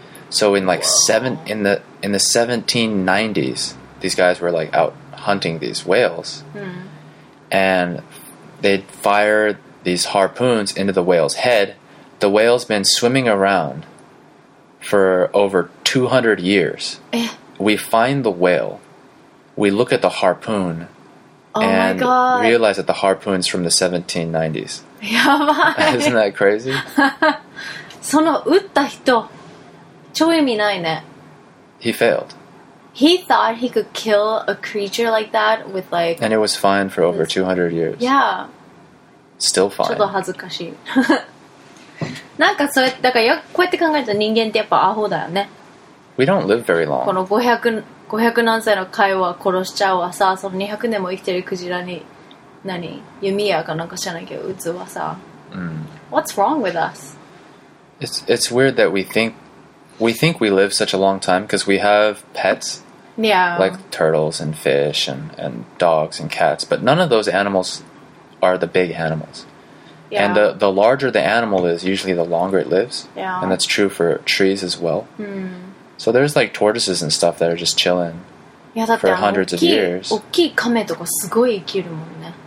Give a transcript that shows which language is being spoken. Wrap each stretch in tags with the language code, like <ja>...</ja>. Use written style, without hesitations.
<en>So in the 1790s,These guys were like out hunting these whales, and they'd fire these harpoons into the whale's head. The whale's been swimming around for over 200 years. We find the whale, we look at the harpoon, and realize that the harpoon's from the 1790s.</en> <ja>やばい。</ja> <en>Isn't that crazy?</en> <ja>その撃った人、超意味ないね。</ja> <en>He failed. He thought he could kill a creature like that with like... And it was fine for over 200 years. Yeah. Still fine.</en> <ja>ちょっと恥ずかしい。なんかそれ、だからこうやって考えると人間ってやっぱアホだよね。</ja> <en>We don't live very long.</en> <ja>この 500何歳の貝は殺しちゃうわさ、その200年も生きてるクジラに、何、弓矢かなんか知らないけど、撃つわさ。</ja> <en>What's wrong with us? It's weird that we think we live such a long time because we have pets. Yeah. Like turtles and fish and dogs and cats. But none of those animals are the big animals. Yeah. And the larger the animal is, usually the longer it lives. Yeah. And that's true for trees as well. Mm. So there's like tortoises and stuff that are just chilling yeah, for hundreds of years.</en> <ja>大きい亀とかすごい生きるもんね。</ja>